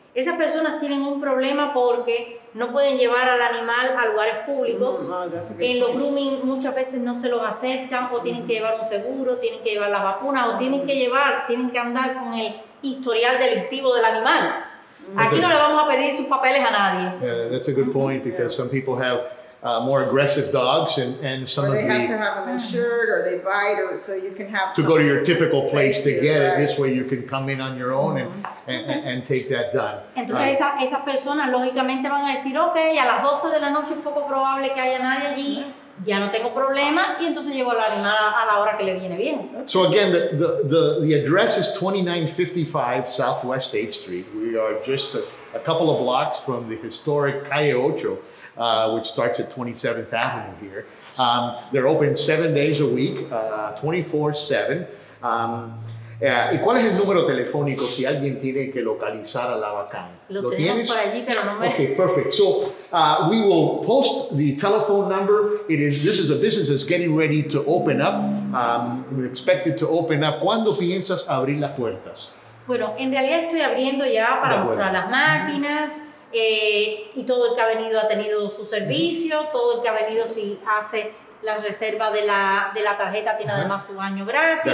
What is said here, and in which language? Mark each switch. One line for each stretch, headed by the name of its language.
Spanish: Esas personas tienen un problema porque no pueden llevar al animal a lugares públicos. En los grooming muchas veces no se los aceptan o tienen que llevar un seguro, tienen que llevar las vacunas o tienen que andar con el historial delictivo del animal. Aquí no le vamos a pedir sus papeles a nadie.
English: Yeah, that's a good point because some people have more aggressive dogs and some or of the... they have to have them insured or they bite or so you can have... To go to your typical place to get it. This way you can come in on your own and take that done.
Spanish: Entonces esas personas lógicamente van a decir, okay, a las 12 de la noche es poco probable que haya nadie allí. Ya no tengo problema y entonces llevo la animal a la hora que le viene bien.
English: So again, the address is 2955 Southwest 8th Street. We are just a couple of blocks from the historic Calle Ocho. Which starts at 27th Avenue here. They're open 7 days a week, 24/7.
Spanish: ¿Y cuál es el número telefónico si alguien tiene que localizar a la vacana? Lo tenemos por allí, pero no me...
English: Okay, perfect. So we will post the telephone number. This is a business that's getting ready to open up. We're expected to open up.
Spanish: ¿Cuándo piensas abrir las puertas? Bueno, en realidad estoy abriendo ya para mostrar las máquinas. Y todo el que ha venido ha tenido su servicio, todo el que ha venido si hace la reserva de la tarjeta tiene además su baño gratis.